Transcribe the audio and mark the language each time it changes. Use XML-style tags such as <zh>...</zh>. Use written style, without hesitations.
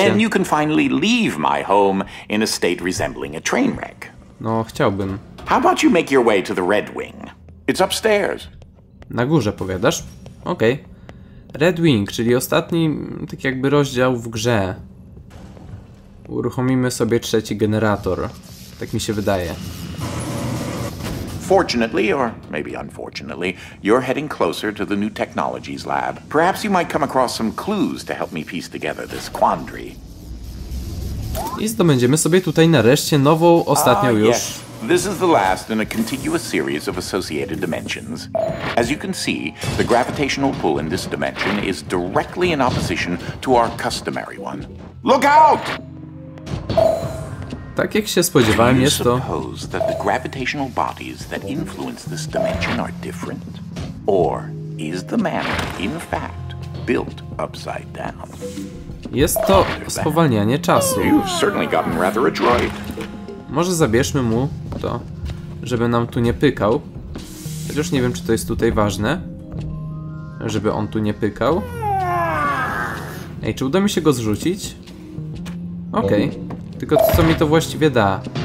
<en>And then you can finally leave my home in a state resembling a train wreck.</en> <pl>No, chciałbym.</pl> <en>How about you make your way to the Red Wing? It's upstairs.</en> <pl>Na górze, powiadasz? Okej. Red Wing, czyli ostatni, tak jakby, rozdział w grze. Uruchomimy sobie trzeci generator. Tak mi się wydaje.</pl> <en>Fortunately, or maybe unfortunately, you're heading closer to the New Technologies Lab. Perhaps you might come across some clues to help me piece together this quandary.</en> <pl>I zdobędziemy sobie tutaj nareszcie nową, ostatnią już.</pl> <en>This is the last in a contiguous series of associated dimensions. As you can see, the gravitational pull in this dimension is directly in opposition to our customary one. Look out!</en> <pl>Tak jak się spodziewałem, jest to...</pl> <en>Do you suppose that the gravitational bodies that influence this dimension are different? Or is the manor, in fact, built upside down?</en> <pl>Jest to spowalnianie czasu.</pl> <en>You've certainly gotten rather adroit.</en> <pl>Może zabierzmy mu to, żeby nam tu nie pykał. Chociaż nie wiem, czy to jest tutaj ważne, żeby on tu nie pykał. Ej, czy uda mi się go zrzucić? Okej. Tylko co mi to właściwie da?</pl>